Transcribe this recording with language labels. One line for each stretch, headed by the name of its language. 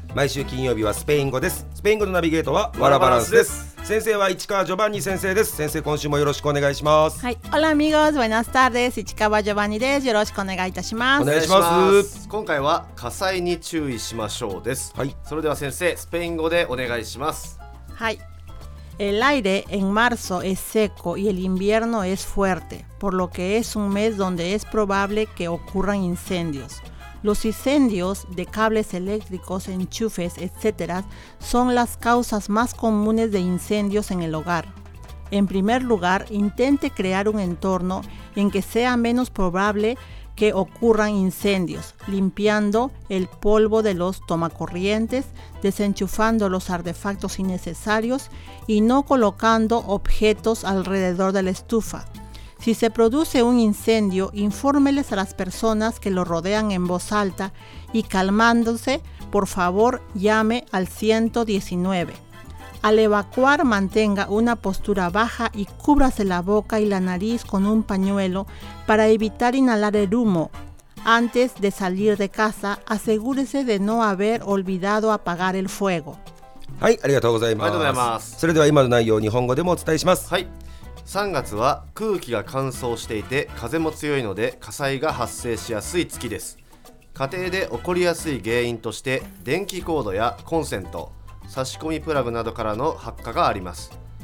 Japanese: 毎週金曜日はスペイン語です。スペイン語のナビゲートはワラバランスです。先生は市川ジョバンニ先生です。先生、今週もよろしくお願いします。はい、オラミゴーズ、バイナスターです。市川ジョバンニです。よろしくお願いいたします。お願いします。今回は火災に注意しましょうです。はい、それでは先生、スペイン語でお願いします。
Spanish: はい、El aire en marzo es seco y el invierno es fuerte, por lo que es un mes donde es probable que ocurran incendios. Los incendios de cables eléctricos, enchufes, etc. son las causas más comunes de incendios en el hogar. En primer lugar, intente crear un entorno en que sea menos probable que ocurran incendios, limpiando el polvo de los tomacorrientes, desenchufando los artefactos innecesarios y no colocando objetos alrededor de la estufa. Si se produce un incendio, infórmeles a las personas que lo rodean en voz alta y, calmándose, por favor, llame al 119. Al evacuar, mantenga una postura baja y cúbrase la boca y la nariz con un pañuelo para evitar inhalar el humo. Antes de salir de casa, asegúrese de no haber olvidado apagar el fuego.
Japanese: はい、ありがとうございます。ありがとうございます。それでは今の内容を日本語でもお伝えします。はい。 3月は空気が乾燥していて風も強いので火災が発生しやすい月です。家庭で起こりやすい原因として電気コードやコンセント、差し込みプラグなどからの発火があります。